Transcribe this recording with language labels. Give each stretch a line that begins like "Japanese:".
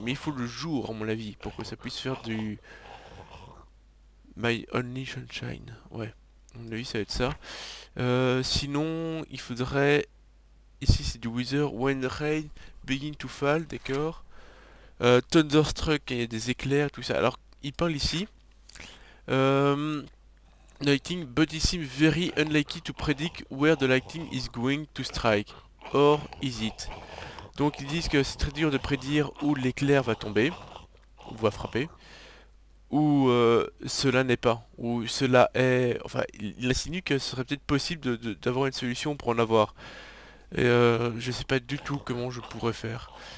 French: Mais il faut le jour, à mon avis, pour que ça puisse faire du My Only Sunshine. Ouais, à mon avis, ça va être ça. Sinon, il faudrait. Ici, c'est du Wither.
English: When rain begin to fall,
French: d'accord. Thunderstruck, il y a des éclairs, tout ça. Alors, il parle ici.
English: Lightning, but it seems very unlikely to predict where the lightning is going to strike. Or is it?
French: Donc ils disent que c'est très dur de prédire où l'éclair va tomber, ou va frapper, ou cela n'est pas, ou cela est. Enfin, il insinue que ce serait peut-être possible d'avoir une solution pour en avoir. Et je sais pas du tout comment je pourrais faire.